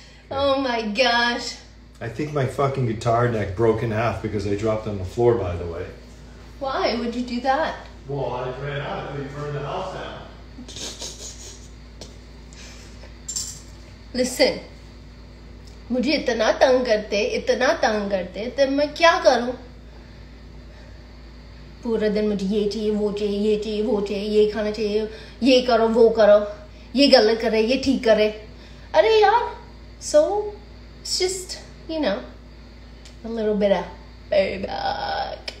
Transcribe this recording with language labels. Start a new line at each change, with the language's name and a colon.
English: Oh my gosh. I think my fucking guitar neck broke in half because I dropped on the floor, by the way. Why would you do that? Well, I ran out and we burned the house down. Listen.
Hindi: मुझे इतना तंग करते, then मैं क्या करू? पूरा दिन मुझे ये चाहिए, वो चाहिए, ये चाहिए, वो चाहिए, ये खाना चाहिए, ये करो, वो करो, ये गलत करे, ये ठीक करे. Are yaar,
English: so it's just, you know, a little bit of payback.